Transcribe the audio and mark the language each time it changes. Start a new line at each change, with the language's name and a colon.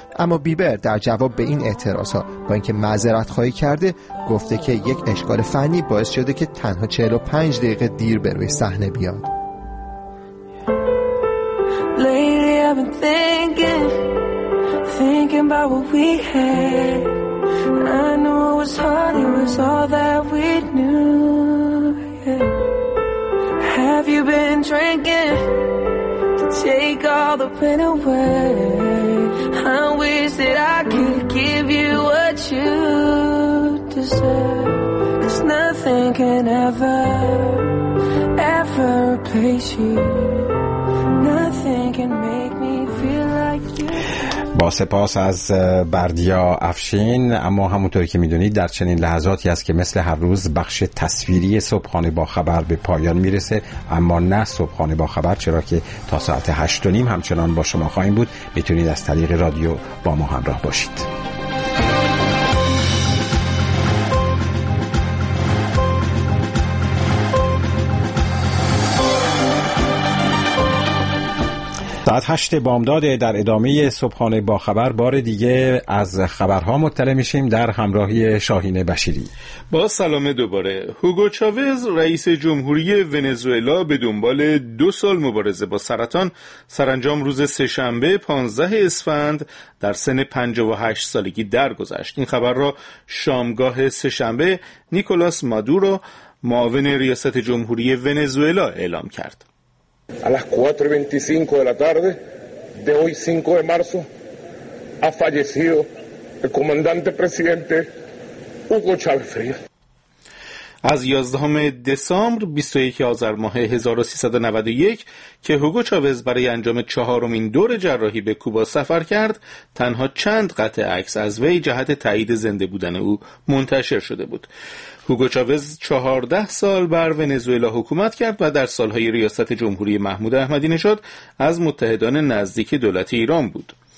Persian: اما بیبر در جواب به این اعتراض‌ها با اینکه معذرت خواهی کرده، گفته که یک اشکال فنی باعث شده که تنها 45 دقیقه دیر به روی صحنه بیاد.
English: I know it was hard, it was all that we knew, yeah. Have you been drinking to take all the pain away? I wish that I could give you what you closer, 'cause nothing can ever, ever replace you. Nothing can make me feel like you.
Persian: با سپاس از بردیا افشین. اما همونطوری که میدونید در چنین لحظاتی است که مثل هر روز بخش تصویری صبحانه با خبر به پایان میرسه، اما نه صبحانه با خبر، چرا که تا ساعت 8:30 همچنان با شما خواهیم بود. میتونید از طریق رادیو با ما همراه باشید. ساعت 8 بامداد در ادامه صبحانه با خبر بار دیگه از خبرها مطلع میشیم در همراهی شاهین بشیری. با سلام دوباره. هوگو چاوز رئیس جمهوری ونزوئلا به دنبال 2 سال مبارزه با سرطان سرانجام روز سه‌شنبه 15 اسفند در سن 58 سالگی درگذشت. این خبر را شامگاه سه‌شنبه نیکولاس مادورو معاون ریاست جمهوری ونزوئلا اعلام کرد.
Spanish: A las 4:25 de la tarde de hoy 5 de marzo ha fallecido el comandante presidente Hugo Chávez Frías.
Persian: از 11 دسامبر 21 آذر ماه 1391 که هوگو چاوز برای انجام 4th دور جراحی به کوبا سفر کرد، تنها چند قطعه عکس از وی جهت تایید زنده بودن او منتشر شده بود. هوگو چاوز 14 سال بر ونزوئلا حکومت کرد و در سالهای ریاست جمهوری محمود احمدی نژاد از متحدان نزدیک دولت ایران بود.